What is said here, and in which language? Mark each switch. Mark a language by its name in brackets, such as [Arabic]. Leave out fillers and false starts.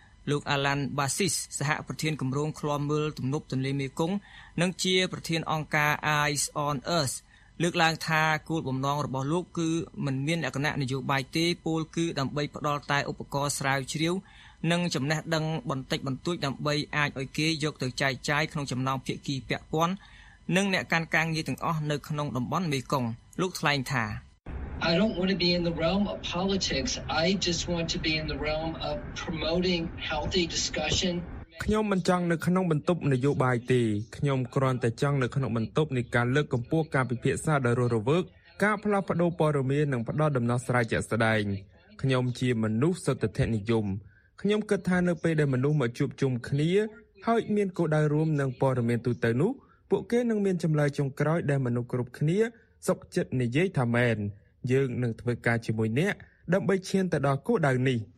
[Khmer] លោក Alan Basis សហប្រធានគម្រោងឃ្លាំមើលទំនប់ទន្លេមេគង្គនិងជាប្រធានអង្គការ Eyes on Earth លើកឡើងថាគោលបំណងរបស់លោកគឺមិនមានលក្ខណៈនយោបាយទេពោលគឺដើម្បីផ្ដល់តែឧបករណ៍ស្រាវជ្រាវនិងចំណេះដឹងបន្តិចបន្តួចដើម្បីអាចឲ្យគេយកទៅចែកចាយក្នុងចំណោមភាគីពាក់ព័ន្ធនិងអ្នកកាន់ការងារទាំងអស់នៅក្នុងតំបន់មេគង្គលោកថ្លែងថា [English] I don't want to be in the realm of politics. I just want to be in the realm of promoting healthy discussion. [Khmer] ខ្ញុំមិនចង់នៅក្នុងបន្ទប់នយោបាយទេ។ខ្ញុំគ្រាន់តែចង់នៅក្នុងបន្ទប់នៃការលើកកម្ពស់ការពិភាក្សាដោយរស់រវើក។ការផ្លាស់ប្ដូរព័ត៌មាននិងផ្ដល់ដំណោះស្រាយជាក់ស្ដែង។ខ្ញុំជាមនុស្សសន្តិធនិយម។ខ្ញុំគិតថានៅពេលដែលមនុស្សមកជួបជុំគ្នាហើយមានគោលដៅរួមនឹងព័ត៌មានទូទៅនោះពួកគេនឹងមានចម្លើយចុងក្រោយដែលមនុស្សគ្រប់គ្នាសុខចិត្តនិយាយថាមែន។យើងនឹងធ្វើការជាមួយអ្នកដើម្បីឈានទៅដល់គោលដៅនេះ